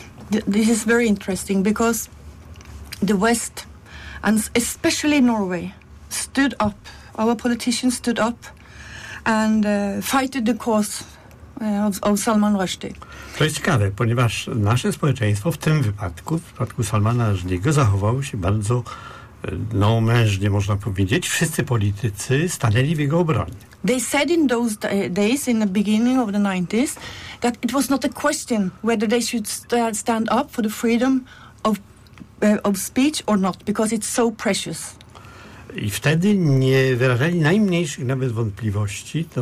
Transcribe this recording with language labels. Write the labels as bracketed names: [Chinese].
[English] This is very interesting because the West, and especially Norway, stood up. Our politicians stood up and fighted the cause of Salman Rushdie. [Polish] To jest ciekawe, ponieważ nasze społeczeństwo w przypadku Salmana Rushdiego zachowało się bardzo mężnie, można powiedzieć. Wszyscy politycy stanęli w jego obronie. [English] They said in those days, in the beginning of the 90s, that it was not a question whether they should stand up for the freedom of speech or not, because it's so precious. [Polish] I wtedy nie wyrażali najmniejszych nawet wątpliwości.